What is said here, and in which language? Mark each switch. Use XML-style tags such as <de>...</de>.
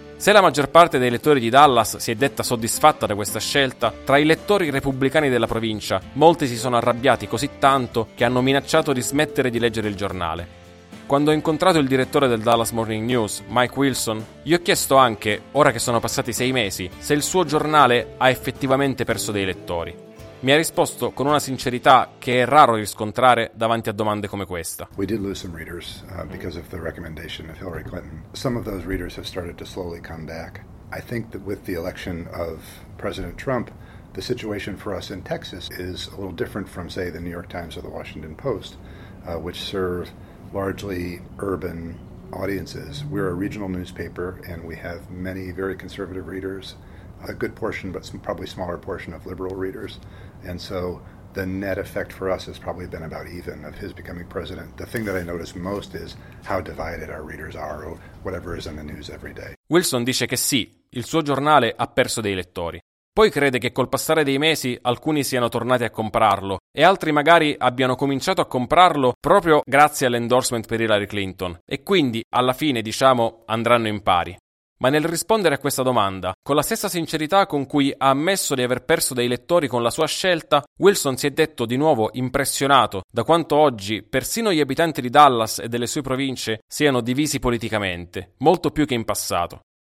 <it>Se la maggior parte dei lettori di Dallas si è detta soddisfatta da questa scelta, tra i lettori repubblicani della provincia, molti si sono arrabbiati così tanto che hanno minacciato di smettere di leggere il giornale. Quando ho incontrato il direttore del Dallas Morning News, Mike Wilson, gli ho chiesto anche, ora che sono passati 6 mesi, se il suo giornale ha effettivamente perso dei lettori. Mi ha risposto con una sincerità che è raro riscontrare davanti a domande come questa.</it> <en>We did lose some readers because of the recommendation of Hillary Clinton. Some of those readers have started to slowly come back. I think that with the election of President Trump, the situation for us in Texas is a little different from, say, the New York Times or the Washington Post, which serve largely urban audiences. We're a regional newspaper and we have many very conservative readers, a good portion, but some probably smaller portion of liberal readers. And so the net effect for us has probably been about even of his becoming president. The thing that I notice most is how divided our readers are or whatever is in the news every day.</en> <it>Wilson dice che sì, il suo giornale ha perso dei lettori. Poi crede che col passare dei mesi alcuni siano tornati a comprarlo e altri magari abbiano cominciato a comprarlo proprio grazie all'endorsement per Hillary Clinton e quindi alla fine, diciamo, andranno in pari. Ma nel rispondere a questa domanda, con la stessa sincerità con cui ha ammesso di aver perso dei lettori con la sua scelta, Wilson si è detto di nuovo impressionato da quanto oggi persino gli abitanti di Dallas e delle sue province siano divisi politicamente, molto più che in passato.</it>